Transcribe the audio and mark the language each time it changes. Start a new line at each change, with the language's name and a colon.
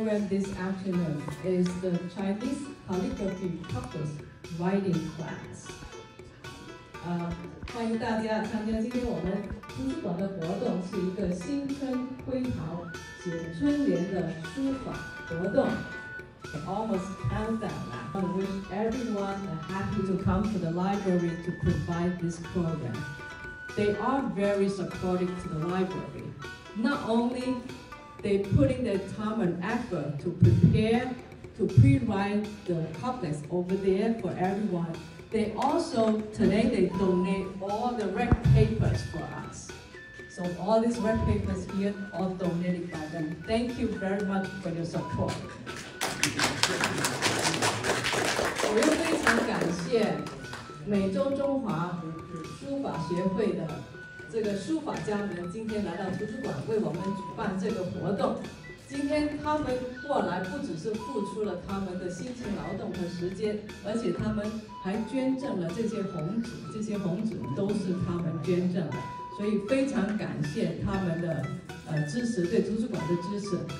English: this afternoon is the Chinese calligraphy couples writing class.
Chinese: 欢迎大家参加今天我们图书馆的活动，是一个新春挥毫写春联的书法活动。
English: Almost countdown. I want to wish everyone a happy to come to the library to provide this program. They are very supportive to the library. Not only they put in their time and effort to prepare, to pre-write the couplets over there for everyone. They also, today they donate all the red papers for us. So all these red papers here are donated by them. Thank you very much for your support.
Chinese: 我又非常感谢美洲中华书法协会的这个书法家们今天来到图书馆为我们举办这个活动。今天他们过来不只是付出了他们的辛勤劳动和时间，而且他们还捐赠了这些红纸，这些红纸都是他们捐赠的，所以非常感谢他们的支持，对图书馆的支持。